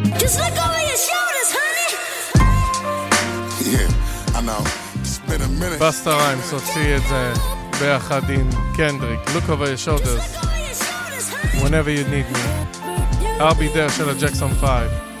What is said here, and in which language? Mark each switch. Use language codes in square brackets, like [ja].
[en] Just look over your shoulders, honey. Yeah, I know. It's been a minute. [he] Busta Rhymes הוציא את זה ביחד עם Kendrick. [en] Look over your shoulders. Whenever you need me. I'll be there של Jackson 5.